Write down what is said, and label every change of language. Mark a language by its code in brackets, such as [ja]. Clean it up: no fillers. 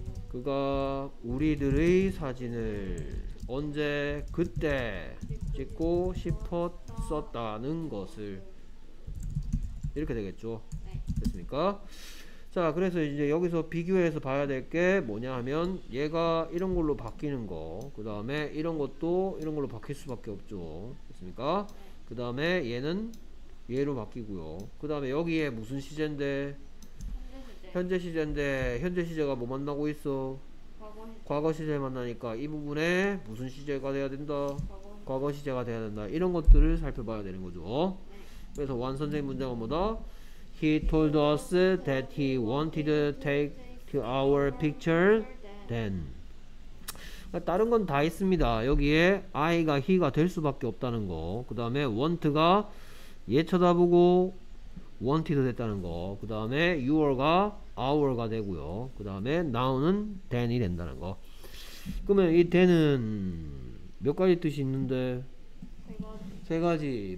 [ko] 그가 우리들의 사진을 언제 그때 찍고 싶었었다는 것을 이렇게 되겠죠 됐습니까 자 그래서 이제 여기서 비교해서 봐야 될 게 뭐냐 하면 얘가 이런 걸로 바뀌는 거 그 다음에 이런 것도 이런 걸로 바뀔 수밖에 없죠 됐습니까 그 다음에 얘는 얘로 바뀌고요 그 다음에 여기에 무슨 시제인데 현재 시제 현재 시제인데 현재 시제가 뭐 만나고 있어? 과거 시제 만나니까 이 부분에 무슨 시제가 돼야 된다? 과거 시제가 돼야 된다. 이런 것들을 살펴봐야 되는 거죠. 그래서 원 선생님 문장은 뭐다? [en] He told us that he wanted to take our picture then. [ko] 다른 건 다 있습니다. 여기에 I가 he가 될 수밖에 없다는 거. 그 다음에 want가 얘 쳐다보고 wanted 됐다는 거. 그 다음에 your가 our가 되고요. 그 다음에 noun은 then이 된다는 거. 그러면 이 then은 몇 가지 뜻이 있는데? 세 가지.